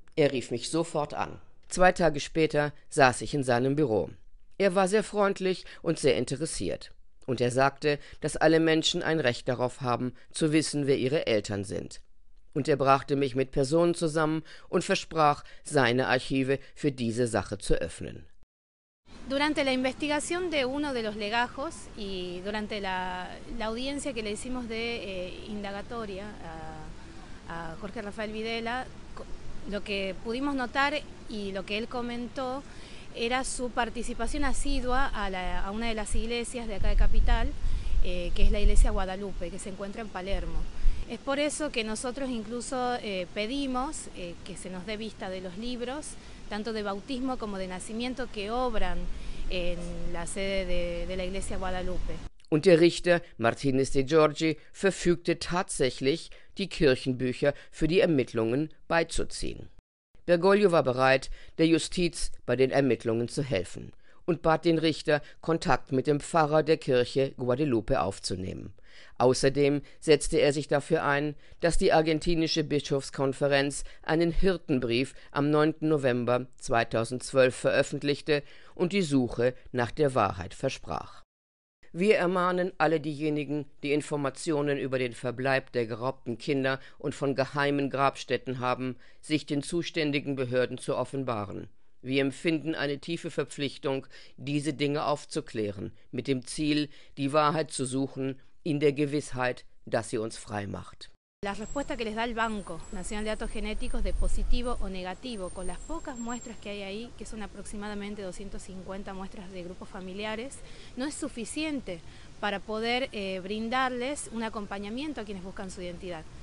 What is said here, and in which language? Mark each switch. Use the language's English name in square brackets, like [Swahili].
[German] Er rief mich sofort an. 2 Tage später saß ich in seinem Büro. Er war sehr freundlich und sehr interessiert. Und er sagte, dass alle Menschen ein Recht darauf haben, zu wissen, wer ihre Eltern sind. Und er brachte mich mit Personen zusammen und versprach, seine Archive für diese Sache zu öffnen. [Spanish] Durante la investigación de uno de los legajos y durante la audiencia que le hicimos de indagatoria a Jorge Rafael Videla, lo que pudimos notar y lo que él comentó era su participación asidua a una de las iglesias de acá de Capital, que es la iglesia Guadalupe, que se encuentra en Palermo. Es por eso que nosotros incluso pedimos que se nos dé vista de los libros, tanto de bautismo como de nacimiento, que obran en la sede de la iglesia Guadalupe. [German] Und der Richter Martínez de Giorgi verfügte tatsächlich, die Kirchenbücher für die Ermittlungen beizuziehen. Bergoglio war bereit, der Justiz bei den Ermittlungen zu helfen und bat den Richter, Kontakt mit dem Pfarrer der Kirche Guadalupe aufzunehmen. Außerdem setzte er sich dafür ein, dass die argentinische Bischofskonferenz einen Hirtenbrief am 9. November 2012 veröffentlichte und die Suche nach der Wahrheit versprach. Wir ermahnen alle diejenigen, die Informationen über den Verbleib der geraubten Kinder und von geheimen Grabstätten haben, sich den zuständigen Behörden zu offenbaren. Wir empfinden eine tiefe Verpflichtung, diese Dinge aufzuklären, mit dem Ziel, die Wahrheit zu suchen, in der Gewissheit, dass sie uns frei macht. [Spanish] La respuesta que les da el Banco Nacional de Datos Genéticos de positivo o negativo, con las pocas muestras que hay ahí, que son aproximadamente 250 muestras de grupos familiares, no es suficiente para poder brindarles un acompañamiento a quienes buscan su identidad.